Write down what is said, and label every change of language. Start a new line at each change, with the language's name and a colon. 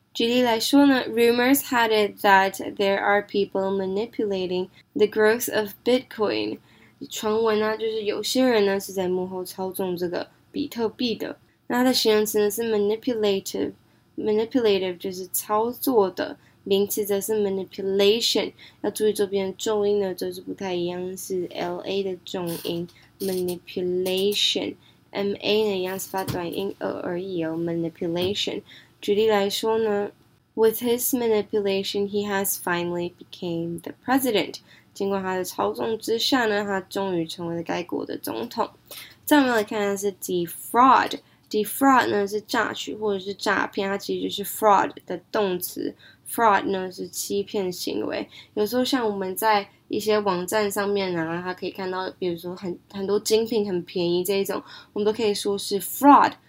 Chinese: 举例来说呢
English: ,rumors had it that there are people manipulating the growth of Bitcoin.
Chinese: 传闻呢、啊、就是有些人呢是在幕后操纵这个比特币的。那它的形容词呢是 manipulative 就是操作的。名词则是 manipulation, 要注意这边的重音呢就是不太一样是 LA 的重音 ,manipulation。 MA 呢一样是发短音而已哦 ,manipulation。举例来说呢
English: ,with his manipulation, he has finally became the president.
Chinese: 经过他的操纵之下呢他终于成为了该国的总统。再我们来看的是 defraud。defraud 呢是诈取或者是诈骗它其实就是 fraud 的动词。 fraud 呢是欺骗行为。有时候像我们在一些网站上面啊它可以看到比如说 很多精品很便宜这一种我们都可以说是 fraud。